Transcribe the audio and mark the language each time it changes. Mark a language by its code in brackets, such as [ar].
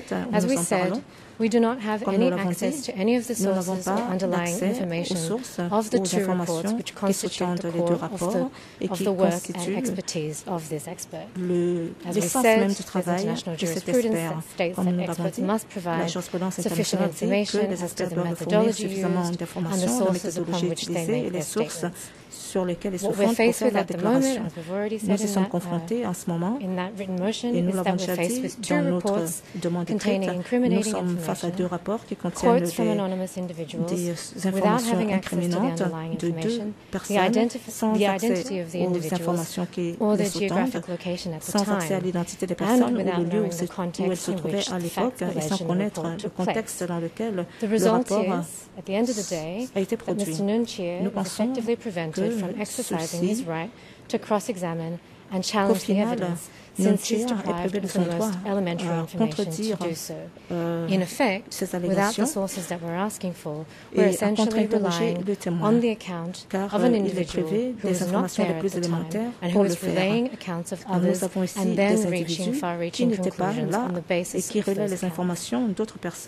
[en] As we said, we do not have any access to any of the sources or underlying information of the two reports which constitute the core of the work and expertise of this expert. As we said, there's international jurisprudence that states that experts must provide sufficient information as to the methodology used and the sources upon which they make their statements. [fr] Sur lesquels ils se font pour faire la déclaration. Nous y sommes confrontés en ce moment et nous l'avons déjà dit dans notre demande écrite. Nous sommes face à deux rapports qui contiennent des informations incriminantes de deux personnes sans accès aux informations qui les sous-tendent, sans accès à l'identité des personnes ou le lieu où elles se trouvaient à l'époque et sans connaître le contexte dans lequel le rapport a été produit. Nous pensons [en] from exercising his right to cross-examine and challenge the evidence since he's deprived of the most elementary information to do so. In effect, without the sources that we're asking for, we're essentially relying on the account of an individual who is not there at the time and who is relaying accounts of others and then reaching far-reaching conclusions on the basis of those accounts.